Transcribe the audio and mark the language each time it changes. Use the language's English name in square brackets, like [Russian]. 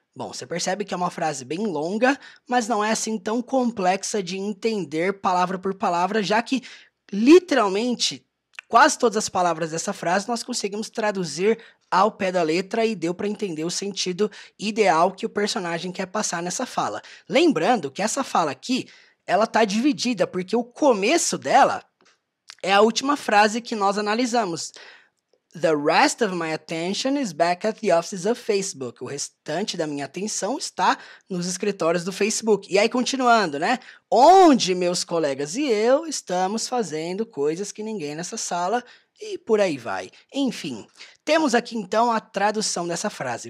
[Portuguese] Bom, você percebe que é uma frase bem longa, mas não é assim tão complexa de entender palavra por palavra, já que literalmente quase todas as palavras dessa frase nós conseguimos traduzir ao pé da letra e deu para entender o sentido ideal que o personagem quer passar nessa fala. Lembrando que essa fala aqui, ela tá dividida, porque o começo dela é a última frase que nós analisamos. [English] The rest of my attention is back at the offices of Facebook. [Portuguese] O restante da minha atenção está nos escritórios do Facebook. E aí, continuando, né? Onde meus colegas e eu estamos fazendo coisas que ninguém nessa sala e por aí vai. Enfim, temos aqui então a tradução dessa frase.